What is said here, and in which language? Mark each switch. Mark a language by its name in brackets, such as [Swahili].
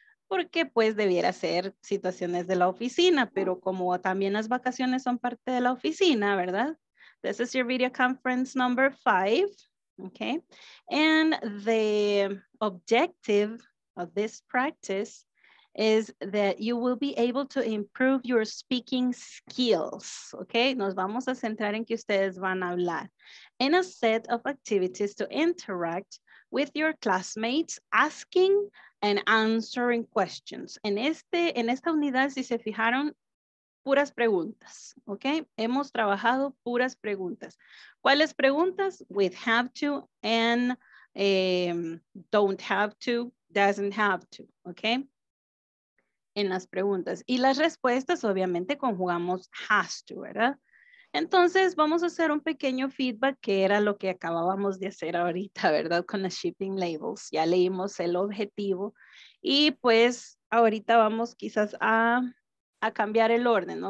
[Spanish] Porque pues debiera ser situaciones de la oficina, pero como también las vacaciones son parte de la oficina, ¿verdad? [English] This is your video conference number 5, ¿ok? And the objective of this practice is that you will be able to improve your speaking skills, okay? [Spanish] Nos vamos a centrar en que ustedes van a hablar. [English] In a set of activities to interact with your classmates, asking and answering questions. [Spanish] En esta unidad, si se fijaron, puras preguntas, okay? Hemos trabajado puras preguntas. ¿Cuáles preguntas? [English] With have to and don't have to, doesn't have to, okay? [Spanish] En las preguntas. Y las respuestas, obviamente, conjugamos has to, ¿verdad? Entonces, vamos a hacer un pequeño feedback que era lo que acabábamos de hacer ahorita, ¿verdad? Con las shipping labels. Ya leímos el objetivo. Y pues, ahorita vamos quizás a cambiar el orden.